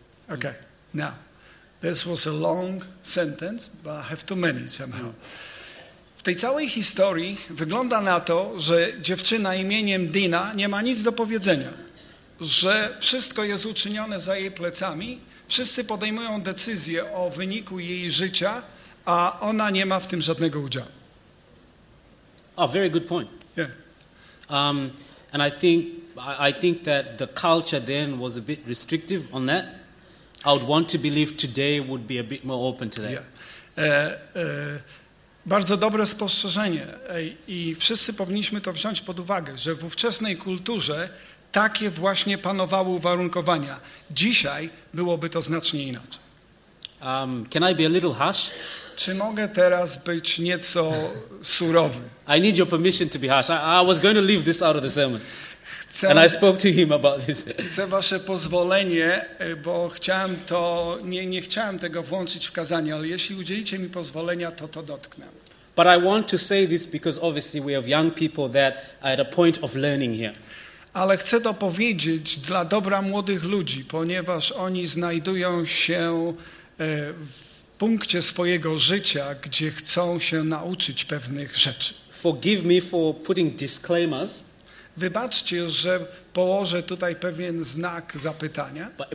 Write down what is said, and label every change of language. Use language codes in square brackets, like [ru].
[en] Okay, now, this was a long sentence, but I have too many somehow. [pl] W tej całej historii wygląda na to, że dziewczyna imieniem Dina nie ma nic do powiedzenia, że wszystko jest uczynione za jej plecami, wszyscy podejmują decyzję o wyniku jej życia, a ona nie ma w tym żadnego udziału. [en] Oh, very good point. Yeah. And I think that the culture then was a bit restrictive on that. I would want to believe today would be a bit more open to that. Yeah. [pl] Bardzo dobre spostrzeżenie i wszyscy powinniśmy to wziąć pod uwagę, że w ówczesnej kulturze takie właśnie panowały uwarunkowania. Dzisiaj byłoby to znacznie inaczej. [en] Can I be a little harsh? [pl] Czy mogę teraz być nieco surowy? [en] I need your permission to be harsh. I was going to leave this out of the sermon. And I spoke to him about this. [pl] Chcę wasze pozwolenie, bo chciałem to, nie chciałem tego włączyć w kazanie, ale jeśli udzielicie mi pozwolenia, to dotknę. [en] But I want to say this because obviously we have young people that are at a point of learning here. [pl] Ale chcę to powiedzieć dla dobra młodych ludzi, ponieważ oni znajdują się w punkcie swojego życia, gdzie chcą się nauczyć pewnych rzeczy. [en] Forgive me for putting disclaimers. [pl] Wybaczcie, że położę tutaj pewien znak zapytania.